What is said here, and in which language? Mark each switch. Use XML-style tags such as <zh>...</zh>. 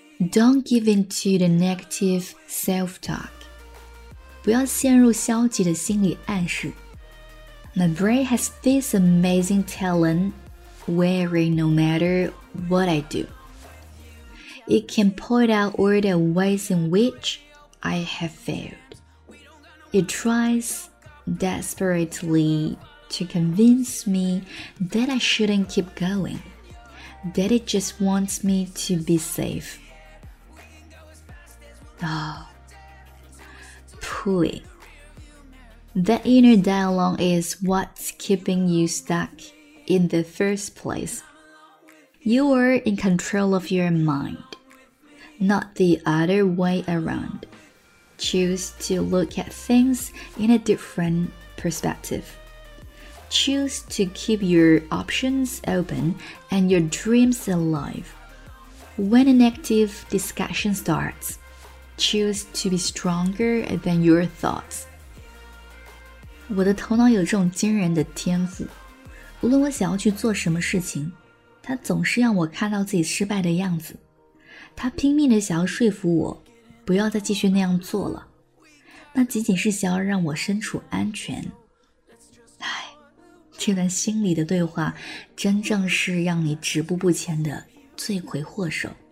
<en>Don't give in to the negative self-talk.</en> <zh>不要陷入消极的心理暗示。</zh> <en>My brain has this amazing talent where no matter what I do, it can point out all the ways in which I have failed. It tries desperately to convince me that I shouldn't keep going, that it just wants me to be safe. Oh, pooey. That inner dialogue is what's keeping you stuck in the first place. You are in control of your mind, not the other way around. Choose to look at things in a different perspective. Choose to keep your options open and your dreams alive. When an active discussion starts,Choose to be stronger than your thoughts.</en> <zh>我的头脑有这种惊人的天赋，无论我想要去做什么事情，它总是让我看到自己失败的样子。它拼命地想要说服我，不要再继续那样做了。那仅仅是想要让我身处安全。唉，这段心理的对话，真正是让你止步不前的罪魁祸首。</zh>